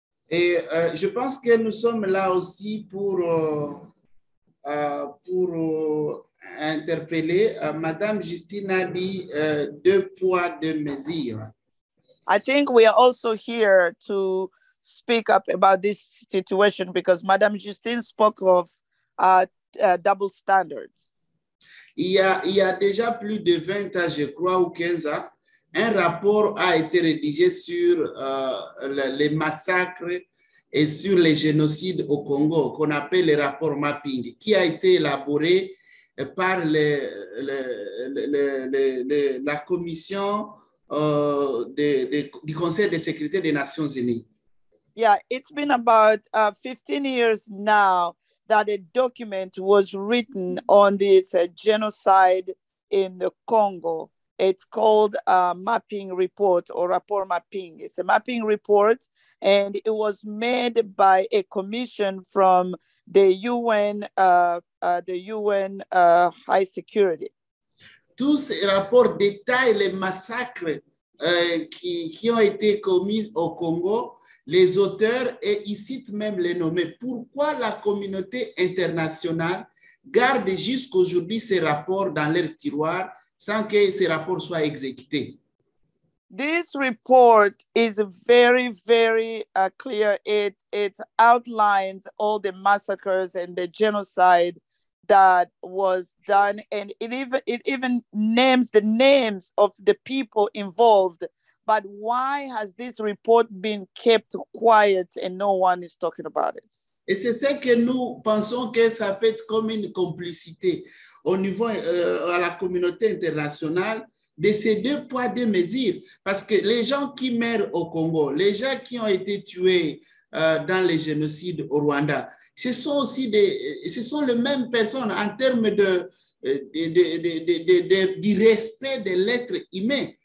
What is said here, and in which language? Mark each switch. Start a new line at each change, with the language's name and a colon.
French: Et je pense que nous sommes là aussi pour interpeller. Madame Justine a dit deux poids, deux mesures.
English: I think we are also here to speak up about this situation because Madame Justine spoke of double standards.
French: Il y a déjà plus de 20 ans, je crois, ou 15 ans, un rapport a été rédigé sur les massacres et sur les génocides au Congo, qu'on appelle le rapport mapping, qui a été élaboré par la commission du Conseil de sécurité des Nations Unies.
English: Yeah, it's been about 15 years now that a document was written on this genocide in the Congo. It's called a mapping report or rapport mapping. It's a mapping report, and it was made by a commission from the UN, High Security.
French: Tous ces rapports détaillent les massacres qui ont été commis au Congo, les auteurs, et ils citent même les nommés. Pourquoi la communauté internationale garde jusqu'à aujourd'hui ces rapports dans leur tiroir sans que ces rapports soient exécutés?
English: This report is very, very clear. It outlines all the massacres and the genocide that was done, and it even names the names of the people involved. But why has this report been kept quiet and no one is talking about it?
French: Et c'est ça que nous pensons que ça peut être comme une complicité au niveau à la communauté internationale de ces deux poids, deux mesures. Parce que les gens qui meurent au Congo, les gens qui ont été tués dans les génocides au Rwanda, ce sont les mêmes personnes en termes du respect de l'être humain.